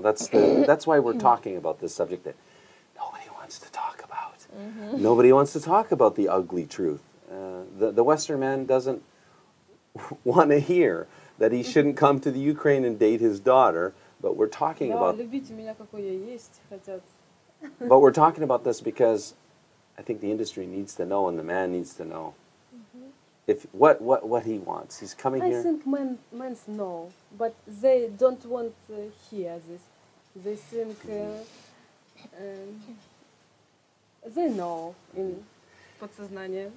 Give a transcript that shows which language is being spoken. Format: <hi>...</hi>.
<en>That's why we're talking about this subject that nobody wants to talk about. Nobody wants to talk about the ugly truth. The Western man doesn't want to hear that he shouldn't come to the Ukraine and date his daughter. But we're talking about.</en> <ru>Любите меня, какой я есть, хотят.</ru> <en>But we're talking about this because I think the industry needs to know, and the man needs to know if what he wants. He's coming here. I think men know, but they don't want to hear this. They think they know in подсознание,</en>